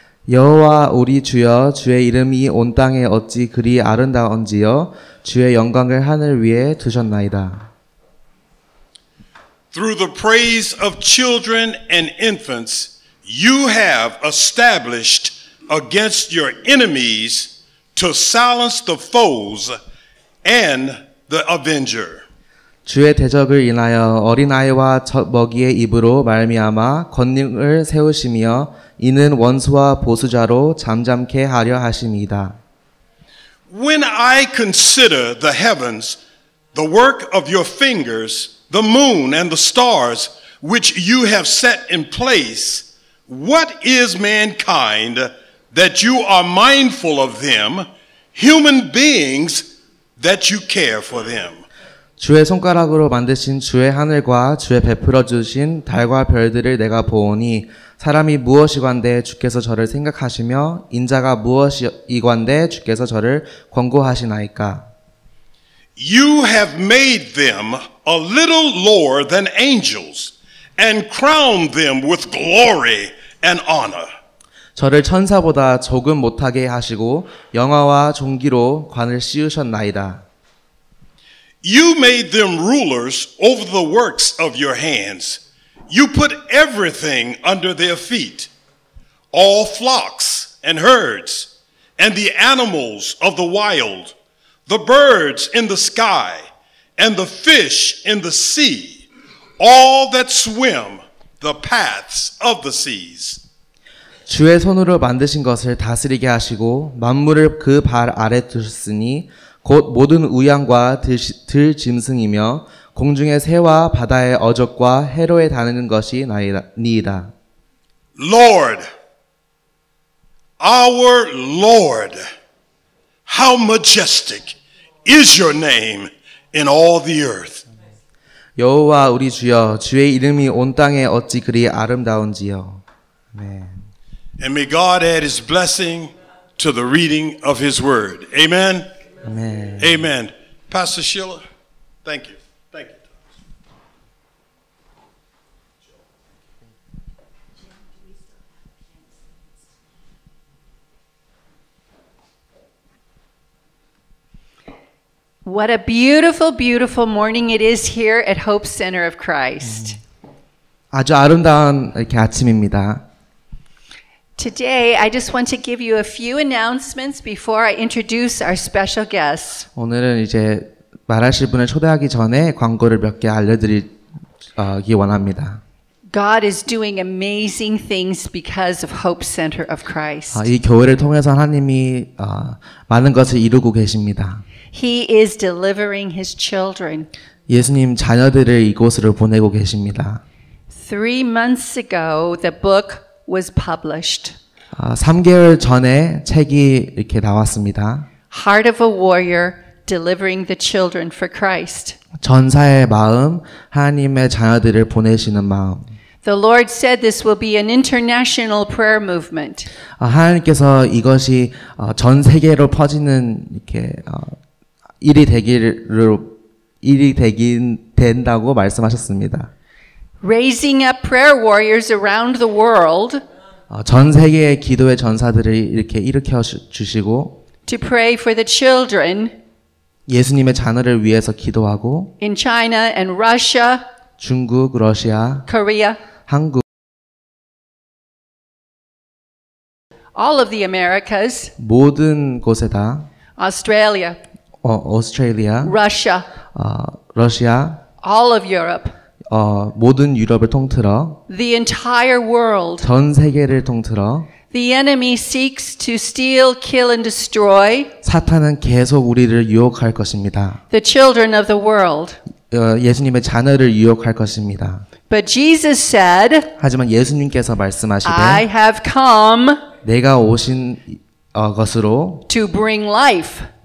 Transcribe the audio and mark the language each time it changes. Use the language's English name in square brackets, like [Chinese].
[Korean] 여호와 우리 주여 주의 이름이 온 땅에 어찌 그리 아름다운지요 주의 영광을 하늘 위에 두셨나이다. [English] Through the praise of children and infants you have established against your enemies to silence the foes and the avenger. [Korean] 주의 대적을 인하여 어린아이와 먹이의 입으로 말미암아 권능을 세우시며 이는 원수와 보수자로 잠잠케 하려 하심이다. [English] When I consider the heavens, the work of your fingers, the moon and the stars, which you have set in place, what is mankind that you are mindful of them, human beings that you care for them? [Korean] 주의 손가락으로 만드신 주의 하늘과 주의 베풀어 주신 달과 별들을 내가 보오니 사람이 무엇이관대 주께서 저를 생각하시며 인자가 무엇이관대 주께서 저를 권고하시나이까? [English] You have made them a little lower than angels and crowned them with glory and honor. [Korean] 저를 천사보다 조금 못하게 하시고 영화와 존귀로 관을 씌우셨나이다. [English] You made them rulers over the works of your hands. You put everything under their feet, all flocks and herds, and the animals of the wild, the birds in the sky, and the fish in the sea, all that swim the paths of the seas. [Korean] 주의 손으로 만드신 것을 다스리게 하시고 만물을 그 발 아래 두셨으니 곧 모든 우양과 들짐승이며 공중의 새와 바다의 어족과 해로에 다니는 것이 나이다. [English] Lord, our Lord, how majestic is your name in all the earth. [Korean] 여호와 우리 주여 주의 이름이 온 땅에 어찌 그리 아름다운지요. 아멘. [English] And may God add his blessing to the reading of his word. Amen. Amen. Amen. Pastor Sheila, thank you. What a beautiful, beautiful morning it is here at Hope Center of Christ. [Korean] 아주 아름다운 이렇게 아침입니다. [English] Today, I just want to give you a few announcements before I introduce our special guests. [Korean] 오늘은 이제 말하실 분을 초대하기 전에 광고를 몇 개 알려드리기 원합니다. [English] God is doing amazing things because of Hope Center of Christ. [Korean] 이 교회를 통해서 하나님이 많은 것을 이루고 계십니다. [English] He is delivering his children. [Korean] 예수님 자녀들을 이곳으로 보내고 계십니다. [English] 3 months ago, the book was published. [Korean] 3개월 전에 책이 이렇게 나왔습니다. [English] Heart of a warrior delivering the children for Christ. [Korean] 전사의 마음, 하나님의 자녀들을 보내시는 마음. [English] The Lord said this will be an international prayer movement. [Korean] 하나님께서 이것이 전 세계로 퍼지는 이렇게 일이 된다고 말씀하셨습니다. [English] Raising up prayer warriors around the world. [Korean] 전 세계의 기도의 전사들을 이렇게 일으켜 주시고. [English] To pray for the children. [Korean] 예수님의 자녀를 위해서 기도하고. [English] In China and Russia. [Korean] 중국, 러시아. [English] Korea. [Korean] 한국. [English] All of the Americas. [Korean] 모든 곳에다. [English] Australia. Australia, Russia, Russia, All of Europe. [Korean] 모든 유럽을 통틀어. [English] The entire world. [Korean] 전 세계를 통틀어. [English] The enemy seeks to steal, kill, and destroy. [Korean] 사탄은 계속 우리를 유혹할 것입니다. [English] The children of the world. [Korean] 예수님의 자녀를 유혹할 것입니다. [English] But Jesus said. [Korean] 하지만 예수님께서 말씀하시되. [English] I have come. [Korean] 내가 오신 것으로. [English] To bring life.